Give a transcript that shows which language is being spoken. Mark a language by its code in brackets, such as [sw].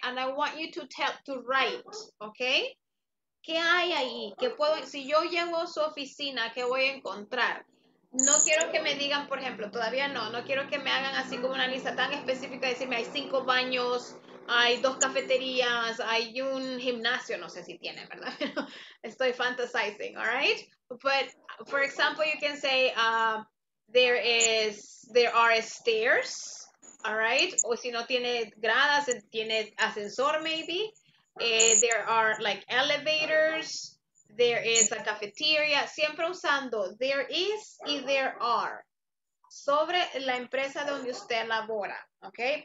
[en] And I want you to tell, to write, okay? [es] ¿Qué hay ahí? ¿Qué puedo, si yo llego a su oficina, qué voy a encontrar? No quiero que me digan, por ejemplo, todavía no, no quiero que me hagan así como una lista tan específica, decirme, hay 5 baños, hay 2 cafeterías, hay un gimnasio, no sé si tiene, ¿verdad? Estoy fantasizing, all right? [en] But, for example, you can say, there are stairs, all right? [es] O si no tiene gradas, tiene ascensor, maybe. [en] There are, like, elevators. There is a cafeteria. [es] Siempre usando there is y there are. Sobre la empresa donde usted labora, ¿ok?